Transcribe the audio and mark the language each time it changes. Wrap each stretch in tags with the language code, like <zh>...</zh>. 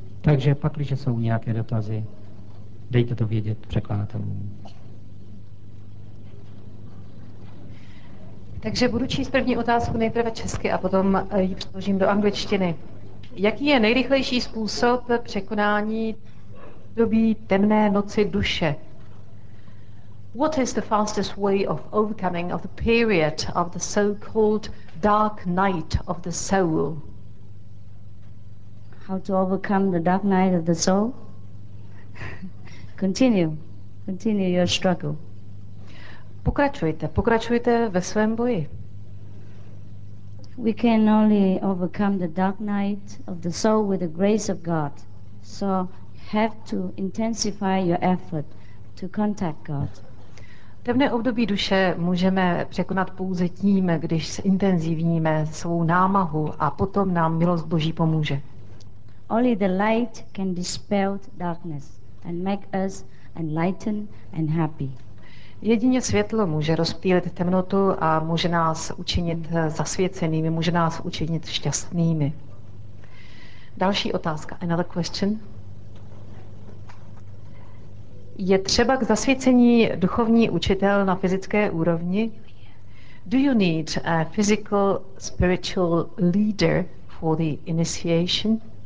<cs>Takže pakliže jsou nějaké dotazy, dejte to vědět překladatelům. Takže budu číst první otázku nejprve česky a potom ji přeložím do angličtiny. Jaký je nejrychlejší způsob překonání doby temné noci duše?</cs> <en>What is the fastest way of overcoming of the period of the so-called dark night of the soul? How to overcome the dark night of the soul? Continue. Continue your struggle.</en> <cs>Pokračujte, pokračujte ve svém boji.</cs> <en>We can only overcome the dark night of the soul with the grace of God. So have to intensify your effort to contact God.</en> <cs>Temné období duše můžeme překonat pouze tím, když zintenzivníme svou námahu a potom nám milost Boží pomůže.</cs> <en>Only the light can dispel darkness and make us enlightened and happy.</en> <cs>Jedině světlo může rozptýlit temnotu a může nás učinit zasvěcenými, může nás učinit šťastnými. Další otázka,</cs> <en>another question.</en> <cs>Je třeba k zasvěcení duchovní učitel na fyzické úrovni?</cs> <en>Do you need a physical spiritual leader for the initiation?</en>